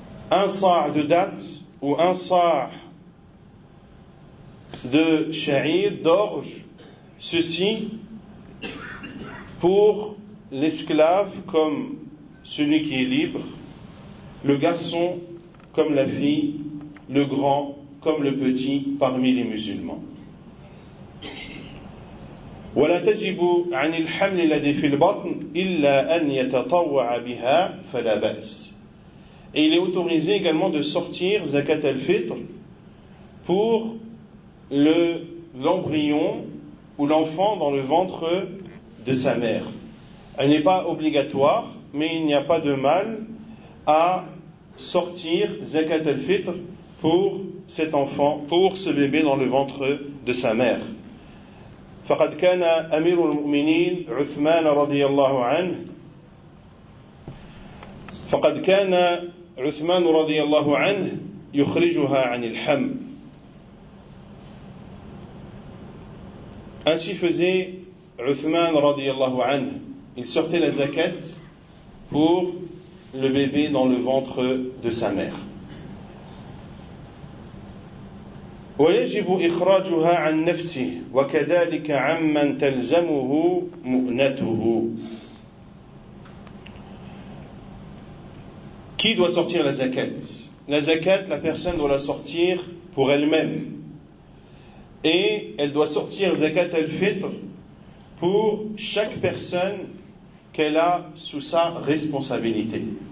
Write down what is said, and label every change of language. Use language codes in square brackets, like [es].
[fr] Un sa'a de date ou un sa'a de sha'ir, d'orge, ceci pour l'esclave comme celui qui est libre, le garçon comme la fille, le grand comme le petit parmi les musulmans. [ar] ولا تجب عن الحمل الذي في البطن إلا أن يتطوع بها فلا بأس. [fr] Et il est autorisé également de sortir zakat al-fitr pour l'embryon ou l'enfant dans le ventre de sa mère. Elle n'est pas obligatoire, mais il n'y a pas de mal à sortir zakat al-fitr pour cet enfant, pour ce bébé dans le ventre de sa mère. [ar] فقد كان أمير المؤمنين عثمان رضي الله عنه فقد كان عثمان رضي الله عنه يخرجها عن الحم. [fr] Ainsi faisait عثمان [ar] رضي الله عنه. [fr] Il sortait la zakat pour le bébé dans le ventre de sa mère. [ar] ويجب إخراجها عن نفسه وكذلك عمن تلزمه مؤنته. [fr] Qui doit sortir la zakat? La zakat, la personne doit la sortir pour elle-même. Et elle doit sortir zakat al-fitr pour chaque personne qu'elle a sous sa responsabilité.